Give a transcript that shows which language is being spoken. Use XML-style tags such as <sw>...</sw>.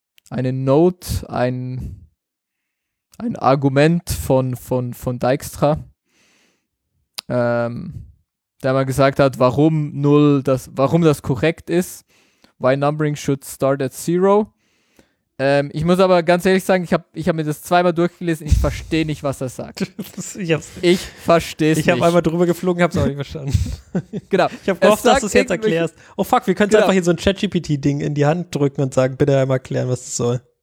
<de>Eine Note, ein Argument von Dijkstra, der mal gesagt hat, warum das korrekt ist.</de> <en>Why numbering should start at zero.</en> <de>Ich muss aber ganz ehrlich sagen, ich hab mir das zweimal durchgelesen, ich verstehe nicht, was er sagt. Ich verstehe es nicht. Ich habe einmal drüber geflogen, habe es auch nicht verstanden. Genau. Ich habe gehofft, dass du es jetzt erklärst. Oh fuck, wir können es einfach hier so ein ChatGPT-Ding in die Hand drücken und sagen, bitte einmal erklären, was das soll.</de>